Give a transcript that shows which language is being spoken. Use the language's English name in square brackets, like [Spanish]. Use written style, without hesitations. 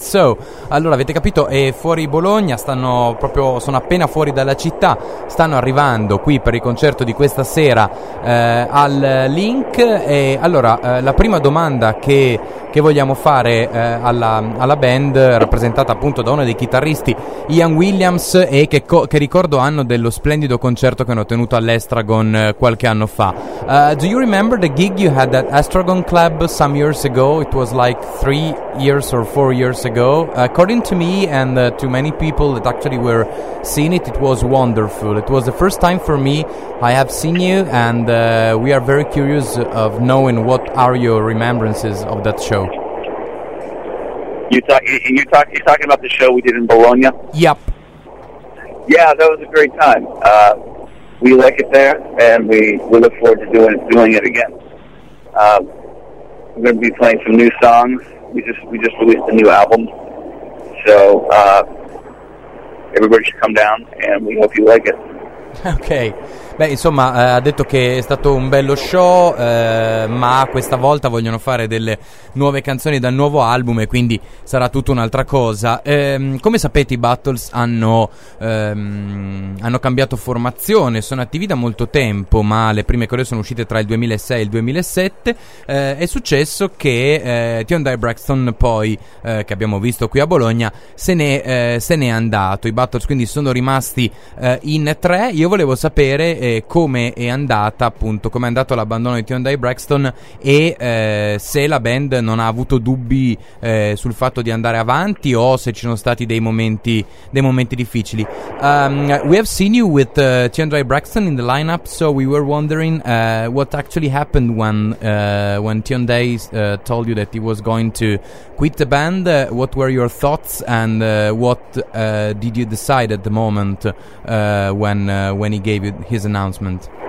[Italian] So, allora, avete capito, è fuori Bologna, sono appena fuori dalla città, stanno arrivando qui per il concerto di questa sera al Link. E allora, la prima domanda che vogliamo fare alla band, rappresentata appunto da uno dei chitarristi, Ian Williams, e che ricordo hanno dello splendido concerto che hanno tenuto all'Estragon qualche anno fa. [English] Do you remember the gig you had at Estragon Club some years ago? It was like 3 years or 4 years ago. According to me and to many people that actually were seeing it, it was wonderful. It was the first time for me I have seen you, and we are very curious of knowing what are your remembrances of that show. You're talking about the show we did in Bologna? Yep. Yeah, that was a great time. We like it there, and we look forward to doing it again. We're going to be playing some new songs. We just released a new album, so everybody should come down, and we hope you like it. Okay. [Italian] Beh, insomma, ha detto che è stato un bello show, ma questa volta vogliono fare delle nuove canzoni dal nuovo album, e quindi sarà tutta un'altra cosa. Come sapete, i Battles hanno cambiato formazione, sono attivi da molto tempo, ma le prime cose sono uscite tra il 2006 e il 2007. È successo che Theon Dye Braxton, poi, che abbiamo visto qui a Bologna, se n'è andato. I Battles quindi sono rimasti in tre. Io volevo sapere come è andata, appunto, come è andato l'abbandono di Theon Dye Braxton, e se la band non ha avuto dubbi sul fatto di andare avanti, o se ci sono stati dei momenti difficili. [English] We have seen you with Theon Dye Braxton in the lineup, so we were wondering what actually happened when Theon Dye told you that he was going to quit the band. What were your thoughts, and what did you decide at the moment when he gave you his announcement?